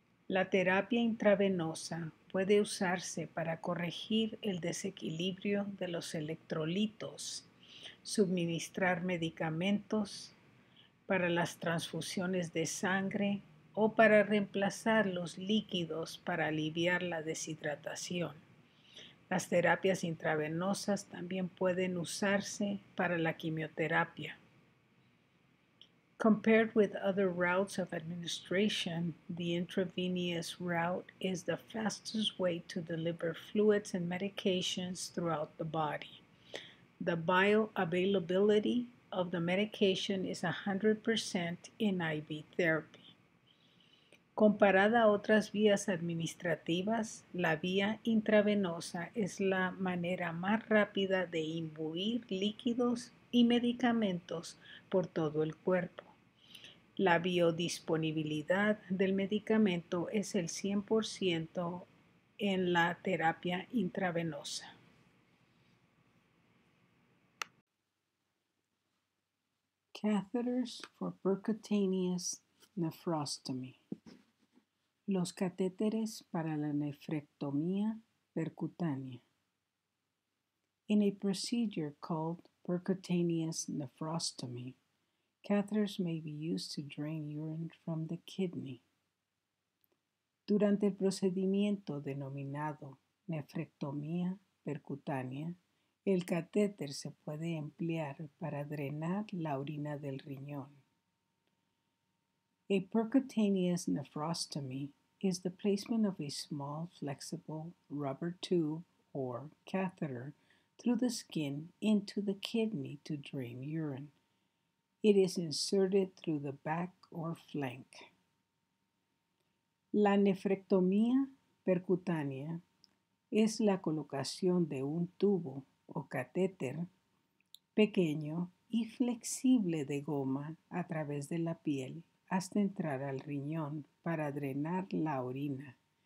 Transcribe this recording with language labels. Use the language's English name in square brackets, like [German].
[Spanish] La terapia intravenosa puede usarse para corregir el desequilibrio de los electrolitos, suministrar medicamentos para las transfusiones de sangre, o para reemplazar los líquidos para aliviar la deshidratación. Las terapias intravenosas también pueden usarse para la quimioterapia. [English] Compared with other routes of administration, the intravenous route is the fastest way to deliver fluids and medications throughout the body. The bioavailability of the medication is 100% in IV therapy. [Spanish] Comparada a otras vías administrativas, la vía intravenosa es la manera más rápida de imbuir líquidos y medicamentos por todo el cuerpo. La biodisponibilidad del medicamento es el 100% en la terapia intravenosa. [English] Catheters for percutaneous nephrostomy. [Spanish] Los catéteres para la nefrectomía percutánea. [English] In a procedure called percutaneous nephrostomy, catheters may be used to drain urine from the kidney. [Spanish] Durante el procedimiento denominado nefrectomía percutánea, el catéter se puede emplear para drenar la orina del riñón. [English] A percutaneous nephrostomy is the placement of a small flexible rubber tube or catheter through the skin into the kidney to drain urine. It is inserted through the back or flank. [Spanish] La nefrectomía percutánea es la colocación de un tubo o catéter pequeño y flexible de goma a través de la piel hasta entrar al riñón para drenar la orina.